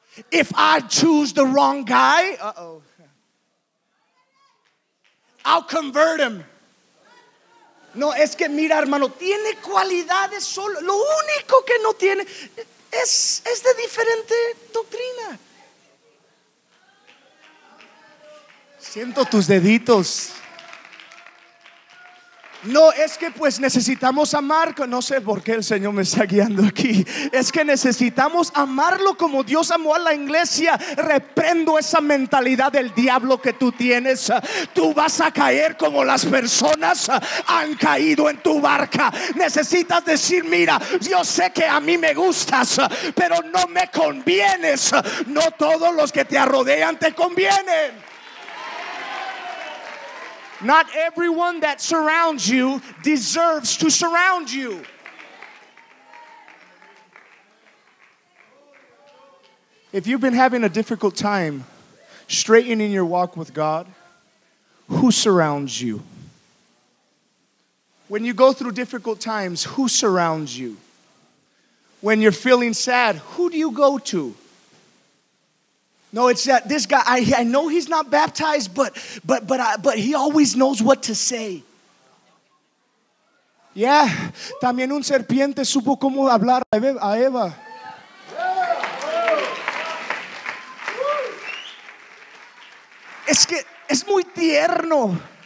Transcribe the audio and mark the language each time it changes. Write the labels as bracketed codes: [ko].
[en] If I choose the wrong guy, I'll convert him. [es] No, es que mira, hermano, tiene cualidades solo. Lo único que no tiene es de diferente doctrina. Siento tus deditos. No, es que pues necesitamos amar. No sé por qué el Señor me está guiando aquí. Es que necesitamos amarlo como Dios amó a la iglesia. Reprendo esa mentalidad del diablo que tú tienes. Tú vas a caer como las personas han caído en tu barca. Necesitas decir, mira, yo sé que a mí me gustas, pero no me convienes. No todos los que te rodean te convienen. [en] Not everyone that surrounds you deserves to surround you. If you've been having a difficult time straightening your walk with God, who surrounds you? When you go through difficult times, who surrounds you? When you're feeling sad, who do you go to? No, it's that this guy, I know he's not baptized, but he always knows what to say. [es] Yeah, también un serpiente supo cómo hablar a Eva. Es que es muy tierno.